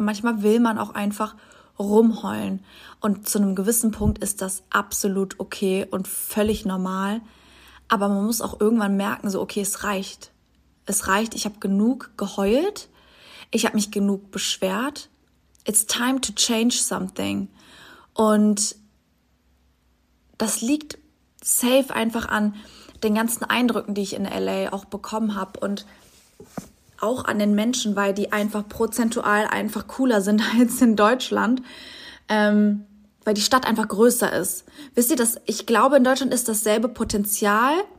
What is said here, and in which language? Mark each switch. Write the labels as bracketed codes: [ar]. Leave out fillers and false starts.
[de] Manchmal will man auch einfach rumheulen. Und zu einem gewissen Punkt ist das absolut okay und völlig normal. Aber man muss auch irgendwann merken, so okay, es reicht. Es reicht, ich habe genug geheult. Ich habe mich genug beschwert. [en] It's time to change something. [de] Und das liegt safe einfach an den ganzen Eindrücken, die ich in LA auch bekommen habe. Und auch an den Menschen, weil die einfach prozentual einfach cooler sind als in Deutschland. Weil die Stadt einfach größer ist. Wisst ihr, ich glaube, in Deutschland ist dasselbe Potenzial.